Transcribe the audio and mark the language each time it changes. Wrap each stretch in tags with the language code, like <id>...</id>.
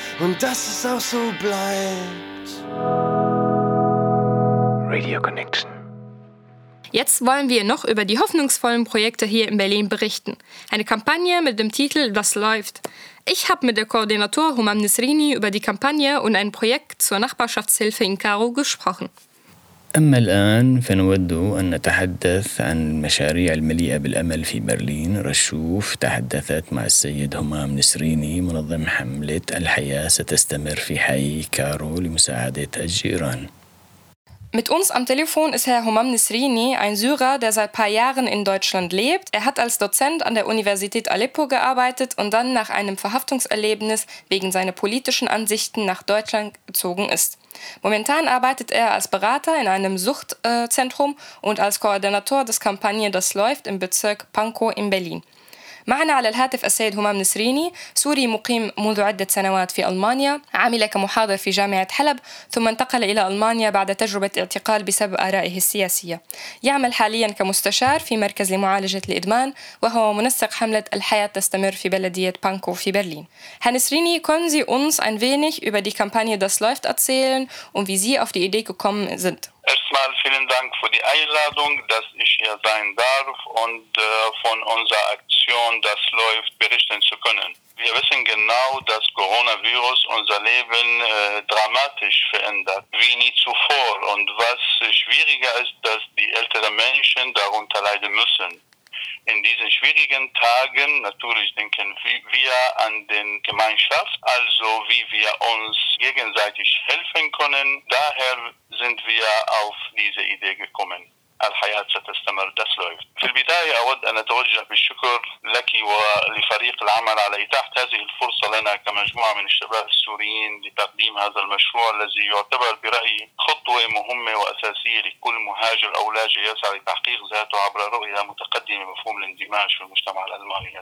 <de>Und dass es auch so bleibt. Radio Connection. Jetzt wollen wir noch über die hoffnungsvollen Projekte hier in Berlin berichten. Eine Kampagne mit dem Titel »Das läuft«. Ich habe mit der Koordinator Humam Nisrini über die Kampagne und ein Projekt zur Nachbarschaftshilfe in Karo gesprochen.</de> <ar>أما الآن فنود أن نتحدث عن المشاريع المليئة بالأمل في برلين. رشوف تحدثت مع السيد همام نسريني منظم حملة الحياة ستستمر في حي كارو لمساعدة الجيران.</ar> <de>Mit uns am Telefon ist Herr Humam Nisrini, ein Syrer, der seit ein paar Jahren in Deutschland lebt. Er hat als Dozent an der Universität Aleppo gearbeitet und dann nach einem Verhaftungserlebnis wegen seiner politischen Ansichten nach Deutschland gezogen ist. Momentan arbeitet er als Berater in einem Suchtzentrum und als Koordinator des Kampagne »Das läuft« im Bezirk Pankow in Berlin.</de> <ar>معنا على الهاتف السيد همام نسريني، سوري مقيم منذ عدة سنوات في ألمانيا، عمل كمحاضر في جامعة حلب ثم انتقل إلى ألمانيا بعد تجربة اعتقال بسبب آرائه السياسية. يعمل حاليا كمستشار في مركز لمعالجة الإدمان، وهو منسق حملة الحياة تستمر في بلدية بانكو في برلين.</ar> <de>Herr Nesrini, können Sie uns ein wenig über die Kampagne Das läuft erzählen und wie Sie auf die Idee gekommen sind? Erstmal vielen Dank für die Einladung, dass ich hier sein darf und von unserer Aktion Das läuft berichten zu können. Wir wissen genau, dass Coronavirus unser Leben dramatisch verändert, wie nie zuvor. Und was schwieriger ist, dass die älteren Menschen darunter leiden müssen. In diesen schwierigen Tagen, natürlich denken wir an den Gemeinschaft, also wie wir uns gegenseitig helfen können. Daher sind wir auf diese Idee gekommen.</de> <ar>الحياة ستستمر، das läuft. في البداية أود أن أتوجه بالشكر لك ولفريق العمل على إتاحة هذه الفرصة لنا كمجموعة من الشباب السوريين لتقديم هذا المشروع الذي يعتبر برأيي خطوة مهمة وأساسية لكل مهاجر أو لاجئ يسعى لتحقيق ذاته عبر رؤية متقدمة مفهوم الاندماج في المجتمع الألماني.</ar>